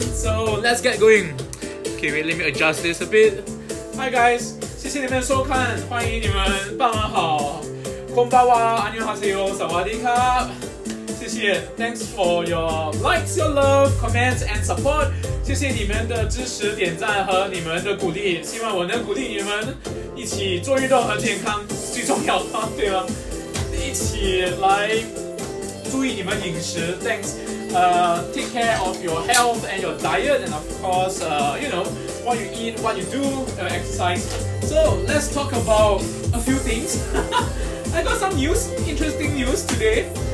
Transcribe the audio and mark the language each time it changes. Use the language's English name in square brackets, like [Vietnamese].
[English] So let's get going. Okay, wait, let me adjust this a bit. Hi guys. [Chinese] 谢谢你们收看, 欢迎你们, 傍晚好, 空巴哇, [Korean] 안녕하세요, [Chinese] 사와디카. 谢谢, [English] thanks for your likes, your love, comments and support. [Chinese] 谢谢你们的支持, 点赞和你们的鼓励, 希望我能鼓励你们一起做运动和健康, 最重要吗? 对吗?一起来注意你们饮食, [English] thanks. Take care of your health and your diet, and of course, you know, what you eat, what you do, exercise. So let's talk about a few things. I got some news, interesting news today.